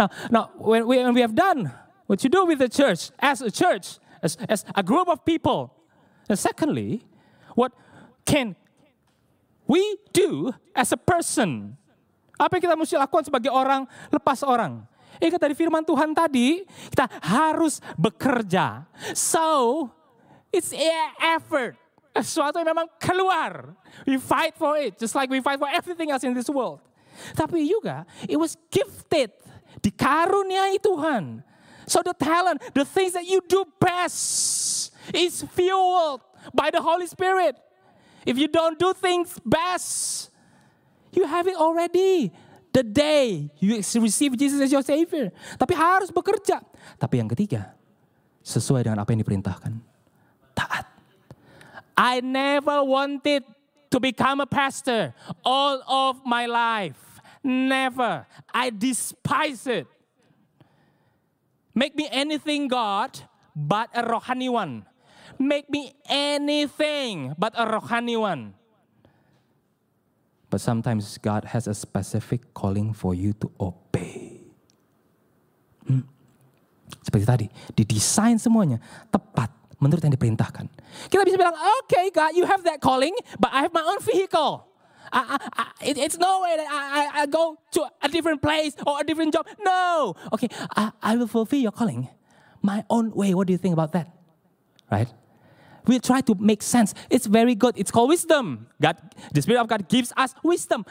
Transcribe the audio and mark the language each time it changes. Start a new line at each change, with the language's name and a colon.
English: Now, when we have done what you do with the church, as a group of people. And secondly, what can we do as a person?
Indonesian: Apa yang kita mesti lakukan sebagai orang lepas orang? Ingat dari firman Tuhan tadi, kita harus bekerja.
English: So, it's an effort.
Indonesian: Sesuatu yang memang keluar.
English: We fight for it, just like we fight for everything else in this world.
Indonesian: Tapi juga,
English: it was gifted.
Indonesian: Dikaruniai Tuhan.
English: So the talent, the things that you do best, is fueled by the Holy Spirit. If you don't do things best, you have it already. The day you receive Jesus as your Savior.
Indonesian: Tapi harus bekerja. Tapi yang ketiga, sesuai dengan apa yang diperintahkan. Taat.
English: I never wanted to become a pastor all of my life. Never. I despise it. Make me anything God but a rohani one. Make me anything but a rohani one. But sometimes God has a specific calling for you to obey.
Indonesian: Seperti tadi, didesain semuanya tepat menurut yang diperintahkan.
English: Kita bisa bilang, okay God, you have that calling, but I have my own vehicle. It's no way that I go to a different place or a different job. No. Okay, I will fulfill your calling my own way. What do you think about that? Right? We try to make sense. It's very good. It's called wisdom. God, the Spirit of God gives us wisdom.